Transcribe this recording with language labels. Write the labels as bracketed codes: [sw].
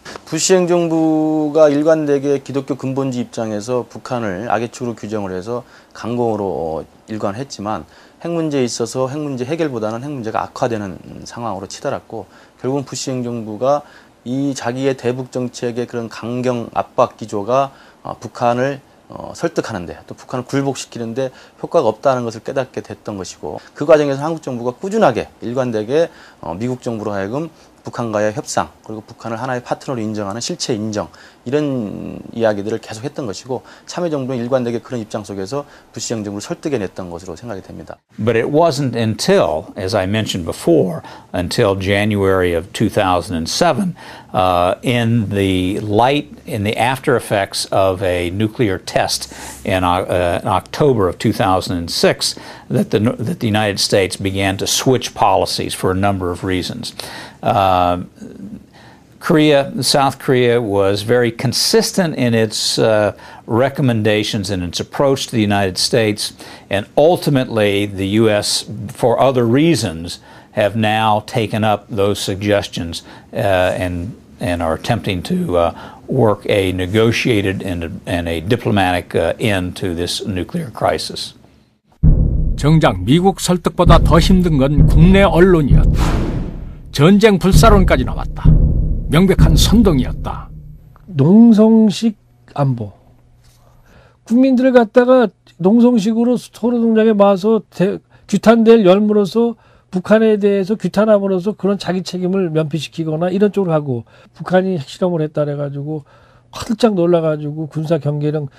[ko] 부시 행정부가 일관되게 기독교 근본주의 입장에서 북한을 악의 축으로 규정을 해서 강공으로 일관했지만 핵 문제에 있어서 핵 문제 해결보다는 핵 문제가 악화되는 상황으로 치달았고 결국은 부시 행정부가 이 자기의 대북 정책의 그런 강경 압박 기조가 북한을 설득하는데 또 북한을 굴복시키는데 효과가 없다는 것을 깨닫게 됐던 것이고 그 과정에서 한국 정부가 꾸준하게 일관되게 미국 정부로 하여금 북한과의 협상, 그리고 북한을 하나의 파트너로 인정하는 실체 인정, 이런 이야기들을 계속했던 것이고, 참여정부는 일관되게 그런 입장 속에서 부시정 정부를 설득해냈던 것으로 생각이 됩니다. [en] But it wasn't until, as I mentioned before, until January of 2007, in the light, in the after effects of a nuclear test in October of 2006, that the United States began to switch policies for a number of reasons. South Korea was very consistent in its recommendations and its approach to the United States, and ultimately the U.S., for other reasons, have now taken up those suggestions and are attempting to work a negotiated and a diplomatic end to this nuclear crisis. [ko] 정작 미국 설득보다 더 힘든 건 국내 언론이었다. 전쟁 불사론까지 나왔다. 명백한 선동이었다. 농성식 안보. 국민들을 갖다가 농성식으로 토론장에 와서 규탄될 열무로서 북한에 대해서 규탄함으로써 그런 자기 책임을 면피시키거나 이런 쪽으로 하고, 북한이 핵실험을 했다래가지고 화들짝 놀라가지고 군사 경계령.